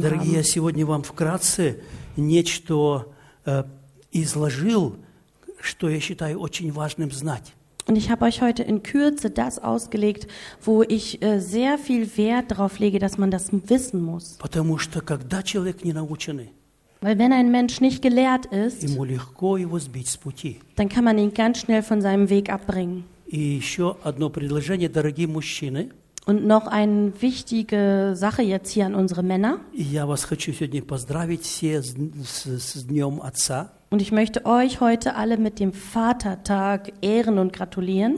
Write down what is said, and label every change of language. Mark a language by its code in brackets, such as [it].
[ru] Дорогие, [de] haben. [ru] Дорогие, я сегодня вам вкратце нечто изложил, что я считаю очень важным знать. [de] Und ich habe euch heute in Kürze das ausgelegt, wo ich sehr viel Wert darauf lege, dass man das wissen muss. [ru] Потому что когда человек не наученный, [de] Weil wenn ein Mensch nicht gelehrt ist, [ru] ему легко его сбить с пути. [de] Dann kann man ihn ganz schnell von seinem Weg abbringen. [ru] И еще одно предложение, дорогие мужчины. [de] Und noch eine wichtige Sache jetzt hier an unsere Männer. [ru] Я вас хочу сегодня поздравить все с Днем Отца. [de] Und ich möchte euch heute alle mit dem Vatertag ehren und gratulieren.